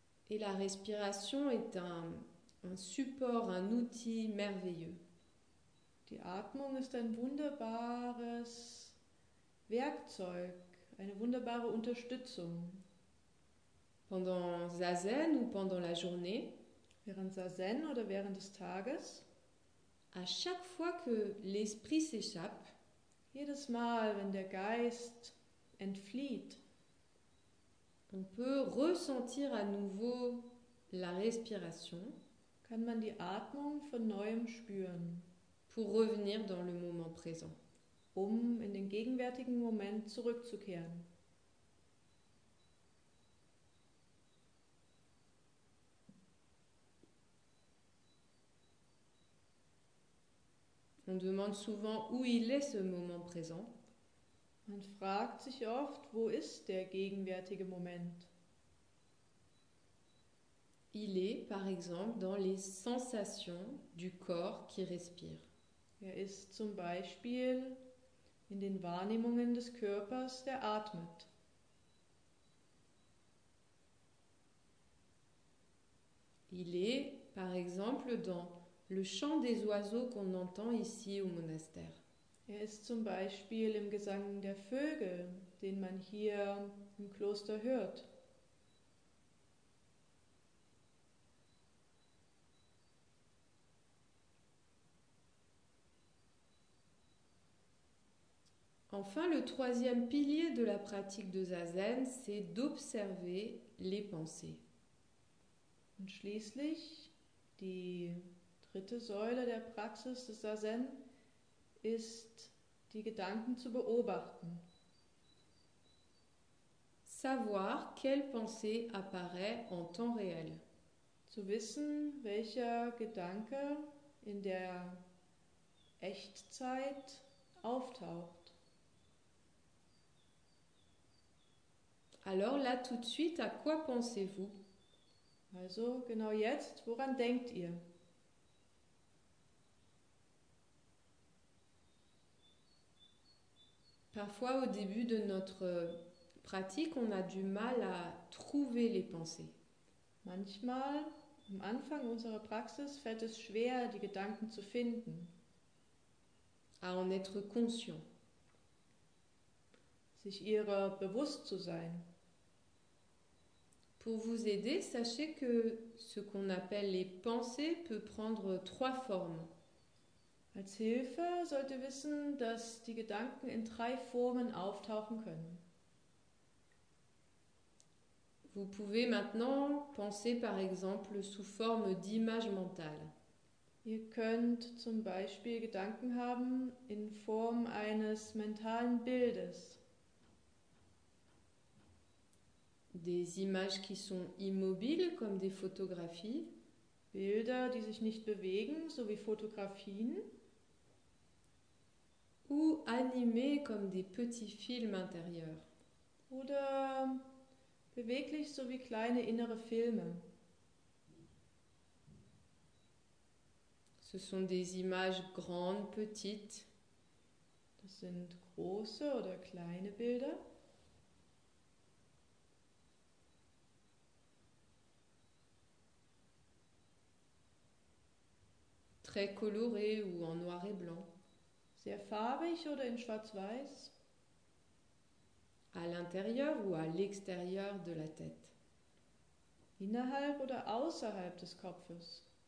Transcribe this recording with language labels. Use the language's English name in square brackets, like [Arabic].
[French] Et la respiration est un support, un outil merveilleux. [German] Die Atmung ist ein wunderbares Werkzeug, eine wunderbare Unterstützung. [French] Pendant Zazen ou pendant la journée, [German] während Zazen oder während des Tages, [French] à chaque fois que l'esprit s'échappe, [German] jedes Mal, wenn der Geist entflieht, [French] on peut ressentir à nouveau la respiration, [German] kann man die Atmung von neuem spüren, [French] pour revenir dans le moment présent, [German] in den gegenwärtigen Moment zurückzukehren. [French] On demande souvent où il est ce moment présent. [German] Man fragt sich oft, wo ist der gegenwärtige Moment? [French] Il est, par exemple, dans les sensations du corps qui respire. [German] Ist zum Beispiel in den Wahrnehmungen des Körpers, der atmet. [French] Il est, par exemple, dans le chant des oiseaux qu'on entend ici au monastère. [German] Ist zum Beispiel im Gesang der Vögel, den man hier im Kloster hört. [French] Enfin, le troisième pilier de la pratique de Zazen, c'est d'observer les pensées. [German] Und schließlich die dritte Säule der Praxis des Zazen ist, die Gedanken zu beobachten. [French] Savoir quelle pensée apparaît en temps réel. [German] Zu wissen, welcher Gedanke in der Echtzeit auftaucht. [French] Alors là, tout de suite, à quoi pensez-vous? [German] Also, genau jetzt, woran denkt ihr? [French] Parfois, au début de notre pratique, on a du mal à trouver les pensées. [German] Manchmal, am Anfang unserer Praxis, fällt es schwer, die Gedanken zu finden. [French] À en être conscient. [German] Sich ihrer bewusst zu sein. [French] Pour vous aider, sachez que ce qu'on appelle les pensées peut prendre trois formes. [German] Als Hilfe sollt ihr wissen, dass die Gedanken in drei Formen auftauchen können. [French] Vous pouvez maintenant penser par exemple sous forme d'image mentale. [German] Ihr könnt zum Beispiel Gedanken haben in Form eines mentalen Bildes. [French] Des images qui sont immobiles, comme des photographies. [German] Bilder, die sich nicht bewegen, so wie Fotografien. [French] Ou animés, comme des petits films intérieurs. [German] Oder beweglich, so wie kleine innere Filme. [French] Ce sont des images grandes, petites. [German] Das sind große oder kleine Bilder. [French] Très coloré ou en noir et blanc. [German] Sehr farbig oder in schwarz-weiß. [French] À l'intérieur ou à l'extérieur de la tête. [German] Innerhalb oder außerhalb des Kopfes.